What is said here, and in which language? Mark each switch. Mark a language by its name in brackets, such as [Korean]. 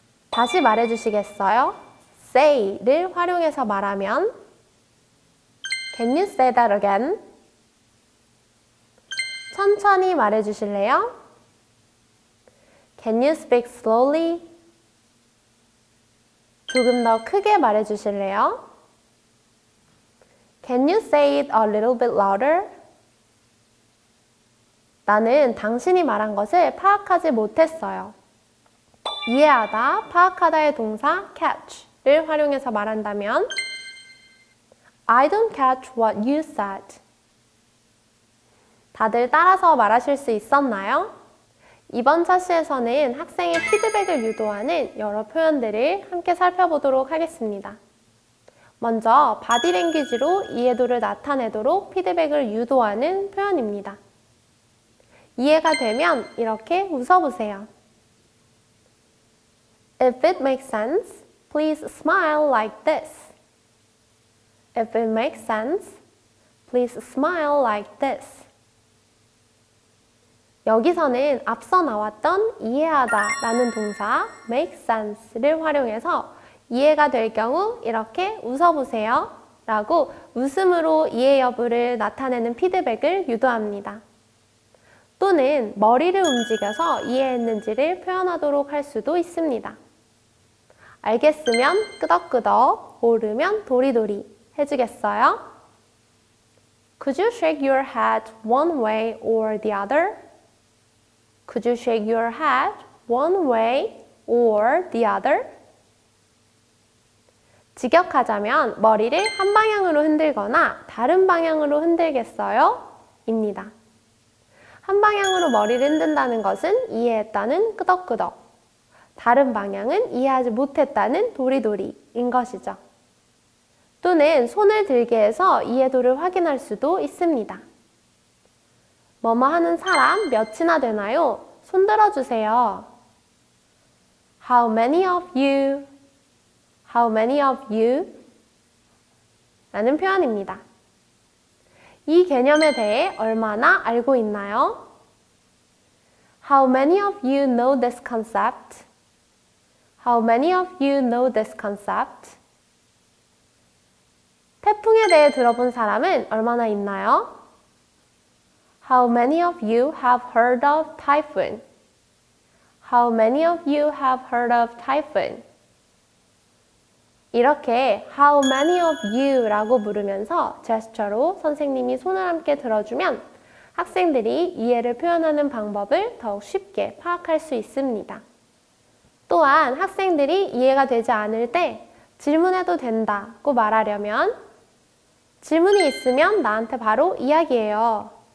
[Korean] 다시 말해 주시겠어요? Say를 활용해서 말하면 [English] Can you say that again? [Korean] 천천히 말해 주실래요? [English] Can you speak slowly? [Korean] 조금 더 크게 말해 주실래요? [English] Can you say it a little bit louder? [Korean] 나는 당신이 말한 것을 파악하지 못했어요. 이해하다, 파악하다의 동사 catch를 활용해서 말한다면 [English] I don't catch what you said. [Korean] 다들 따라서 말하실 수 있었나요? 이번 차시에서는 학생의 피드백을 유도하는 여러 표현들을 함께 살펴보도록 하겠습니다. 먼저 바디랭귀지로 이해도를 나타내도록 피드백을 유도하는 표현입니다. 이해가 되면 이렇게 웃어보세요. [English] If it makes sense, please smile like this. If it makes sense, please smile like this. [Korean] 여기서는 앞서 나왔던 이해하다 라는 동사 make sense를 활용해서 이해가 될 경우 이렇게 웃어보세요 라고 웃음으로 이해 여부를 나타내는 피드백을 유도합니다. 또는 머리를 움직여서 이해했는지를 표현하도록 할 수도 있습니다. 알겠으면 끄덕끄덕, 모르면 도리도리 해주겠어요? [English] Could you shake your head one way or the other? Could you shake your head one way or the other? [Korean] 직역하자면 머리를 한 방향으로 흔들거나 다른 방향으로 흔들겠어요? 입니다. 한 방향으로 머리를 흔든다는 것은 이해했다는 끄덕끄덕, 다른 방향은 이해하지 못했다는 도리도리인 것이죠. 또는 손을 들게 해서 이해도를 확인할 수도 있습니다. 뭐뭐 하는 사람 몇이나 되나요? 손 들어주세요. [English] How many of you? How many of you? [Korean] 라는 표현입니다. 이 개념에 대해 얼마나 알고 있나요? [English] How many of you know this concept? How many of you know this concept? [Korean] 태풍에 대해 들어본 사람은 얼마나 있나요? [English] How many of you have heard of typhoon? How many of you have heard of typhoon? [Korean] 이렇게 [English] How many of you? [Korean] 라고 물으면서 제스처로 선생님이 손을 함께 들어주면 학생들이 이해를 표현하는 방법을 더욱 쉽게 파악할 수 있습니다. 또한 학생들이 이해가 되지 않을 때 질문해도 된다고 말하려면 질문이 있으면 나한테 바로 이야기해요.